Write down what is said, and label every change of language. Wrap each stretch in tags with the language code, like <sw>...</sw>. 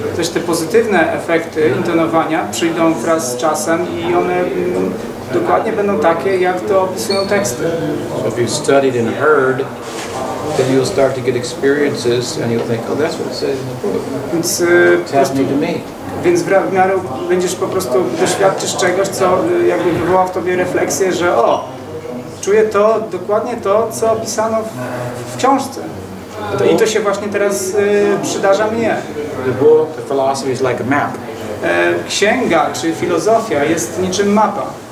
<pl>Też te pozytywne efekty intonowania przyjdą wraz z czasem i one dokładnie będą takie, jak to opisują teksty.</pl> <en>So if you studied and heard, then you'll start to get experiences and you'll think, oh, that's what it says in the book. It's happening to me.</en> <pl>Więc w miarę będziesz po prostu doświadczysz czegoś, co jakby wywołało w tobie refleksję, że o, czuję to, dokładnie to, co opisano w książce. I to się właśnie teraz przydarza mnie.</pl> <en>The book, the philosophy is like a map.</en> <pl>Księga czy filozofia jest niczym mapa.</pl>